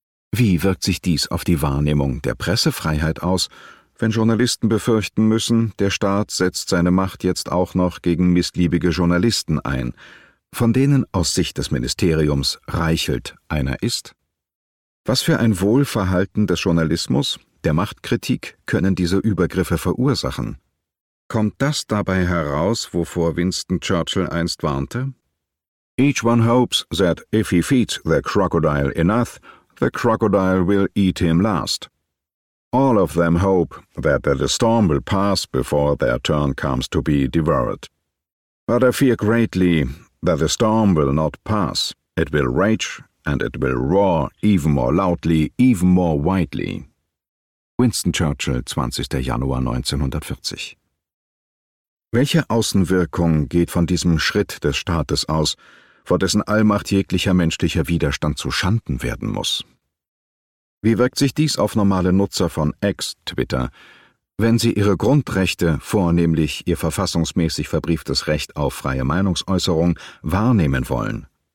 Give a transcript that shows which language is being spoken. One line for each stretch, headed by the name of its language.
German: Wie wirkt sich dies auf die Wahrnehmung der Pressefreiheit aus, wenn Journalisten befürchten müssen, der Staat setzt seine Macht jetzt auch noch gegen missliebige Journalisten ein, von denen aus Sicht des Ministeriums Reichelt einer ist? Was für ein Wohlverhalten des Journalismus, der Machtkritik, können diese Übergriffe verursachen? Kommt das dabei heraus, wovor Winston Churchill einst warnte?
English: Each one hopes that if he feeds the crocodile enough, the crocodile will eat him last. All of them hope that the storm will pass before their turn comes to be devoured. But I fear greatly that the storm will not pass. It will rage, and it will roar even more loudly, even more widely.
German: Winston Churchill, 20. Januar 1940. Welche Außenwirkung geht von diesem Schritt des Staates aus, vor dessen Allmacht jeglicher menschlicher Widerstand zu Schanden werden muss? Wie wirkt sich dies auf normale Nutzer von X, Twitter, wenn sie ihre Grundrechte, vornehmlich ihr verfassungsmäßig verbrieftes Recht auf freie Meinungsäußerung, wahrnehmen wollen?